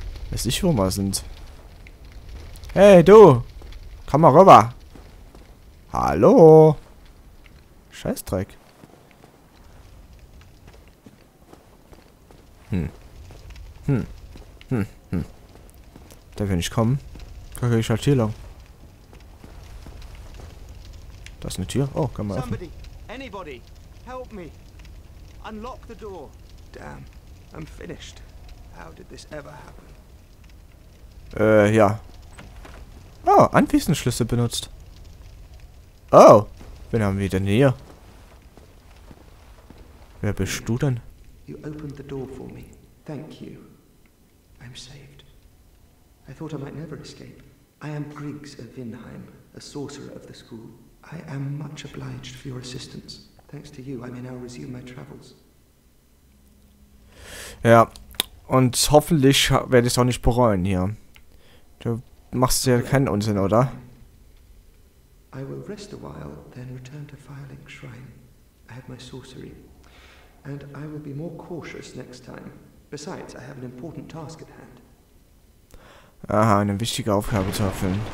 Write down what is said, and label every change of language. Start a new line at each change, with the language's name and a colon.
German: Weiß ich, wo wir sind. Hey, du! Komm mal rüber! Hallo! Scheißdreck. Darf ich nicht kommen? Kacke, ich halt hier lang. Da ist eine Tür. Oh, kann man öffnen.
English: Somebody, anybody, help me. Unlock the door. Damn, I'm finished. How did this ever happen?
German: Ja. Oh, Anwesenschlüssel benutzt. Oh, wen haben wir denn hier? Wer bist du denn?
English: You opened the door for me. Thank you. I'm saved. I thought I might never escape. I am Griggs of Vindheim, a sorcerer of the school. I am much obliged for your assistance. Thanks to you, I may now resume my travels.
German: Ja, und hoffentlich werde ich es auch nicht bereuen hier. Du machst ja keinen Unsinn, oder?
English: I will rest a while, then return to Firelink Shrine. I have my sorcery. And I will be more cautious next time. Besides, I have an important task at hand.
German: Aha, eine wichtige Aufgabe zu erfüllen.